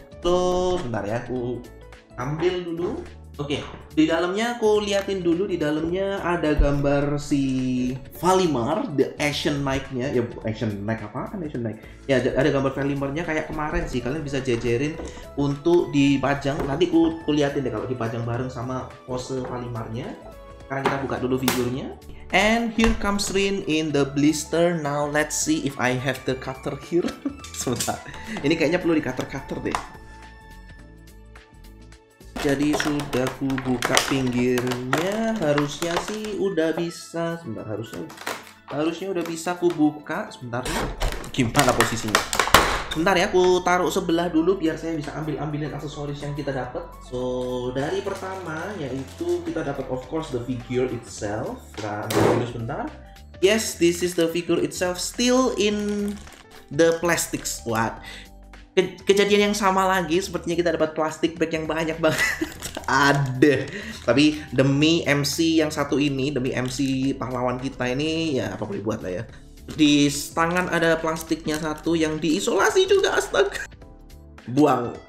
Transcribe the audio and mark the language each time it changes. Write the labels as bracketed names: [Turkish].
[Indonesian] So, sebentar ya aku ambil dulu. Oke, di dalamnya aku liatin dulu, di dalamnya ada gambar si Valimar, the Asian Knight-nya. Ya, Asian Knight apaan? Asian Knight. Ya, ada gambar Valimar-nya kayak kemarin sih. Kalian bisa jajarin untuk dipajang. Nanti aku liatin deh kalau dipajang bareng sama pose Valimar-nya. Sekarang kita buka dulu figurnya. [English] And here comes Rin in the blister. Now let's see if I have the cutter here. [Indonesian] Sebentar. Ini kayaknya perlu di-cutter deh. Jadi sudah ku buka pinggirnya, harusnya sih udah bisa. Sebentar, harusnya udah bisa ku buka. Sebentar, gimana posisinya? Sebentar ya, aku taruh sebelah dulu biar saya bisa ambil-ambilin aksesoris yang kita dapat. [English] So [Indonesian] dari pertama yaitu kita dapat [English] of course the figure itself. [Indonesian] Kita ambil dulu sebentar. [English] Yes, this is the figure itself still in the plastic squad. [Indonesian] Kejadian yang sama lagi, sepertinya kita dapat plastik bag yang banyak banget. Ada. Tapi demi MC yang satu ini, demi MC pahlawan kita ini, ya apa boleh buat lah ya. Di tangan ada plastiknya satu yang diisolasi juga, astaga. Buang.